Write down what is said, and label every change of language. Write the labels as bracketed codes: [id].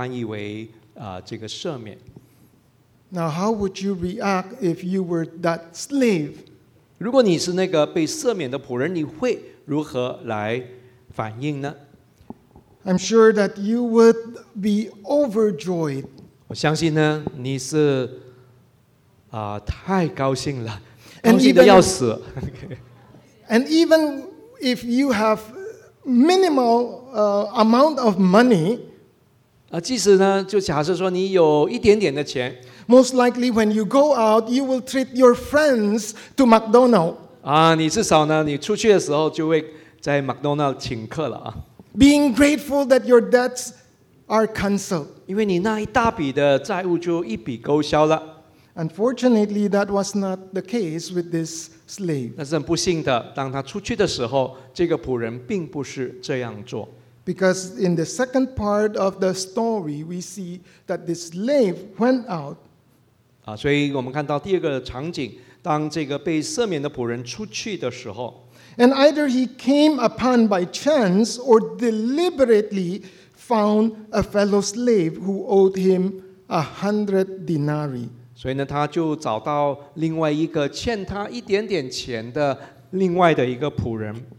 [zh] 他用的这个动词本身，也就是我们经常用来翻译为这个赦免。 [en] Now, how would you react if you were that slave? [zh] 如果你是那个被赦免的仆人，你会如何来反应呢？ [en] I'm sure that you would be overjoyed. [zh] 我相信呢，你是。太高兴了。 [en] And even if you have minimal amount of money, [zh] 即使呢, 就假设说你有一点点的钱, [en] most likely when you go out, you will treat your friends to McDonald's. [zh] 你至少呢, 你出去的时候就会在McDonald's请客了啊。 [en] Being grateful that your debts are canceled. [zh] 因为你那一大笔的债务就一笔勾销了。 [en] Unfortunately, that was not the case with this slave. [zh] 那是很不幸的, 当他出去的时候, 这个仆人并不是这样做。 [en] Because in the second part of the story, we see that this slave went out. [zh] 所以我们看到第二个场景, 当这个被赦免的仆人出去的时候, [en] and either he came upon by chance or deliberately found a fellow slave who owed him 100 denarii. [zh] 所以呢, 他就找到另外一个欠他一点点钱的另外的一个仆人。